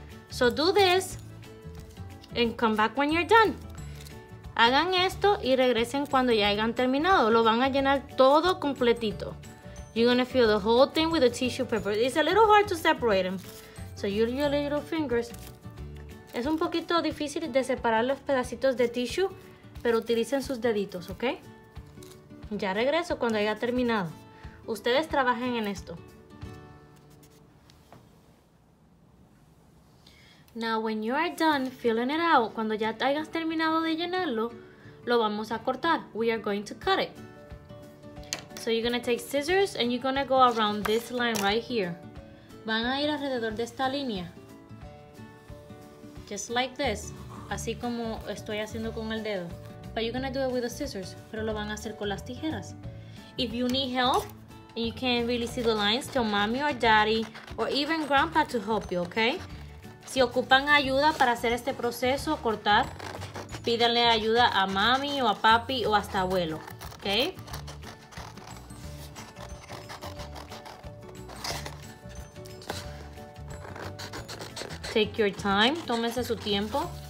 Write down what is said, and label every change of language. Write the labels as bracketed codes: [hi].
[en] So do this and come back when you're done. [es] Hagan esto y regresen cuando ya hayan terminado. Lo van a llenar todo completito. [en] You're gonna fill the whole thing with the tissue paper. It's a little hard to separate them. So use your little fingers. [es] Es un poquito difícil de separar los pedacitos de tissue, pero utilicen sus deditos, ¿ok? Ya regreso cuando haya terminado. Ustedes trabajen en esto. [en] Now, when you are done filling it out, [es] cuando ya hayas terminado de llenarlo, lo vamos a cortar. [en] We are going to cut it. So you're going to take scissors and you're going to go around this line right here. [es] Van a ir alrededor de esta línea. [en] Just like this. [es] Así como estoy haciendo con el dedo. [en] But you're going to do it with the scissors. [es] Pero lo van a hacer con las tijeras. [en] If you need help and you can't really see the lines, tell mommy or daddy or even grandpa to help you, okay? [es] Si ocupan ayuda para hacer este proceso, cortar, pídanle ayuda a mami o a papi o hasta abuelo, ¿ok? [en] Take your time, [es] tómense su tiempo.